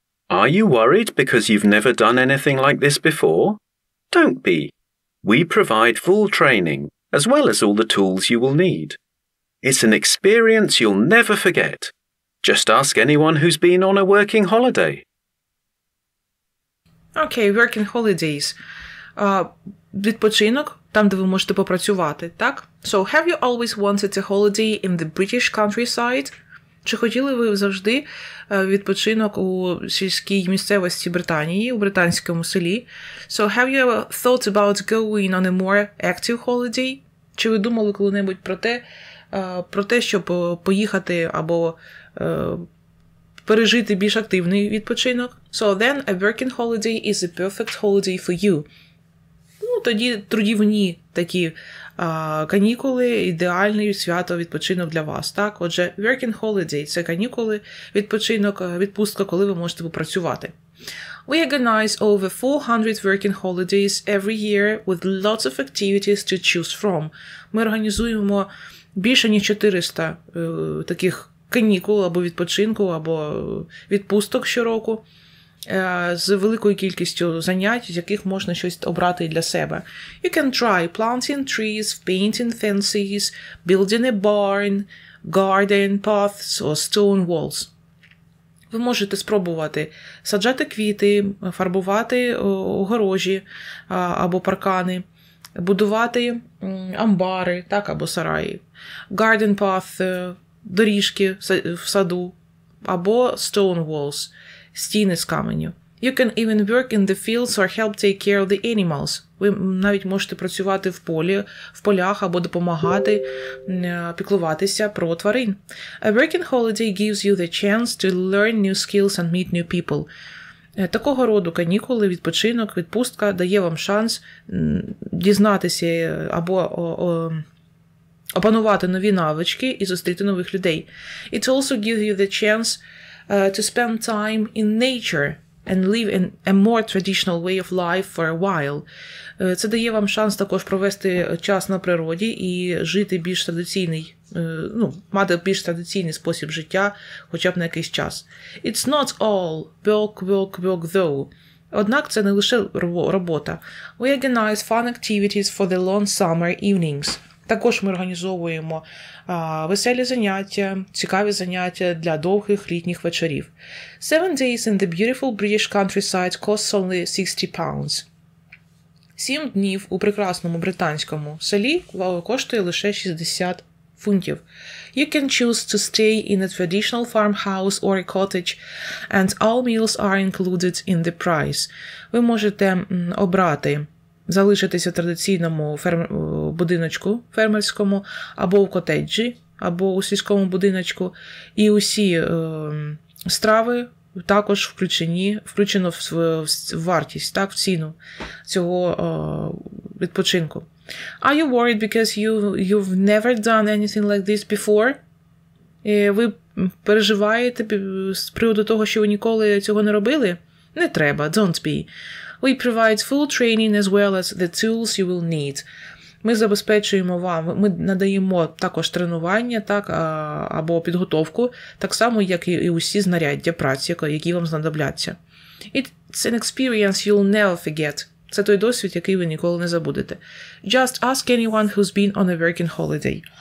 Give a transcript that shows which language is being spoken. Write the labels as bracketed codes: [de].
[en] Are you worried because you've never done anything like this before? Don't be. We provide full training, as well as all the tools you will need. It's an experience you'll never forget. Just ask anyone who's been on a working holiday. Okay, working holidays. [uk] Відпочинок, там, де ви можете попрацювати, так? [en] So, have you always wanted a holiday in the British countryside? [uk] Чи хотіли ви завжди відпочинок у сільській місцевості Британії, у британському селі? [en] So, have you ever thought about going on a more active holiday? [uk] Чи ви думали коли-небудь про те, щоб поїхати або пережити більш активний відпочинок? [en] So, then a working holiday is a perfect holiday for you. [uk] Ну, тоді трудівні такі канікули, ідеальний свято, відпочинок для вас, так? Отже, working holiday – це канікули, відпочинок, відпустка, коли ви можете попрацювати. [en] We organize over 400 working holidays every year with lots of activities to choose from. [uk] Ми організуємо більше ніж 400 таких канікул або відпочинку, або відпусток щороку з великою кількістю занять, з яких можна щось обрати для себе. [en] You can try planting trees, painting fences, building a barn, garden paths or stone walls. [uk] Ви можете спробувати саджати квіти, фарбувати огорожі або паркани, будувати амбари, так, або сараї, garden path, доріжки в саду, або stone walls, стіни з каменю. [en] You can even work in the fields or help take care of the animals. [uk] Ви навіть можете працювати в полі, в полях, або допомагати піклуватися про тварин. [en] A working holiday gives you the chance to learn new skills and meet new people. [uk] Такого роду канікули, відпочинок, відпустка дає вам шанс дізнатися або опанувати нові навички і зустріти нових людей. [en] It also gives you the chance to spend time in nature and live in a more traditional way of life for a while. [uk] Це дає вам шанс також провести час на природі і жити більш традиційний, ну, мати більш традиційний спосіб життя хоча б на якийсь час. [en] It's not all work, work, work, though. [uk] Однак це не лише робота. [en] We organize fun activities for the long summer evenings. [uk] Також ми організовуємо веселі заняття, цікаві заняття для довгих літніх вечорів. [en] 7 days in the beautiful British countryside costs only 60 pounds. [uk] 7 днів у прекрасному британському селі коштує лише 60 фунтів. [en] You can choose to stay in a traditional farmhouse or a cottage, and all meals are included in the price. [uk] Ви можете обрати залишитися в традиційному будиночку фермерському, або в котеджі, або у сільському будиночку. І усі страви також включено в вартість, так, в ціну цього відпочинку. [en] Are you worried because you've never done anything like this before? [uk] Ви переживаєте з приводу того, що ви ніколи цього не робили? Не треба, [en] don't be. We provide full training as well as the tools you will need. [uk] Ми забезпечуємо вам, ми надаємо також тренування, так, або підготовку, так само, як і усі знаряддя праці, які вам знадобляться. [en] It's an experience you'll never forget. [uk] Це той досвід, який ви ніколи не забудете. [en] Just ask anyone who's been on a working holiday.